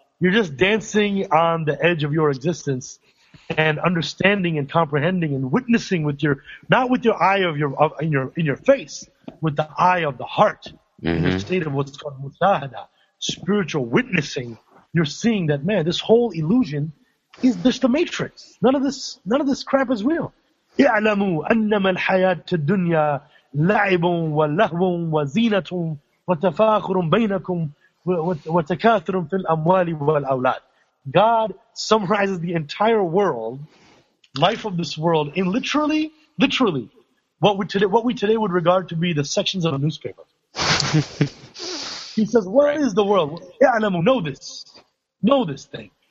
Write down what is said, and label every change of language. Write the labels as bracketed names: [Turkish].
[English] You're just dancing on the edge of your existence and understanding and comprehending and witnessing with your, not with your eye of your, of, in your face, with the eye of the heart. Mm-hmm. In the state of what's called mushahada, spiritual witnessing, you're seeing that, man, this whole illusion is just a matrix. None of this crap is real. [Arabic] اعلموا أنما الحياة الدنيا لعب ولهو وزينة وتفاخر بينكم وتكاثر في الأموال والأولاد. [English] God summarizes the entire world, life of this world, in literally, what we today would regard to be the sections of a newspaper. He says, what is the world? Ya'lamu, know this thing.